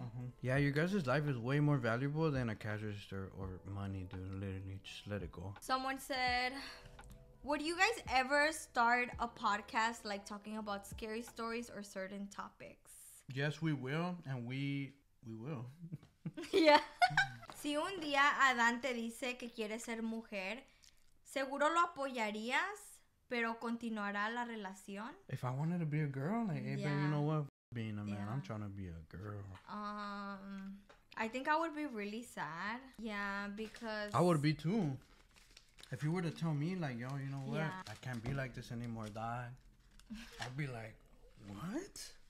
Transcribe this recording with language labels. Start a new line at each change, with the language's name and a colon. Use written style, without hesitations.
English: Uh-huh. Yeah, your guys' life is way more valuable than a cash register or money, dude. Literally, just let it go. Someone said, would you guys ever start a podcast, like, talking about scary stories or certain topics? Yes, we will, and We will. Yeah.
Spanish: Si un día Adán te dice que quiere ser mujer, ¿seguro lo apoyarías, pero continuará la relación?
English: If I wanted to be a girl, like, hey, baby, you know what? Being a man, I'm trying to be a girl. I think I would be really sad. Yeah, because... I would be too. If you were to tell me, like, yo, you know what? Yeah. I can't be like this anymore, dad. I'd be like, what?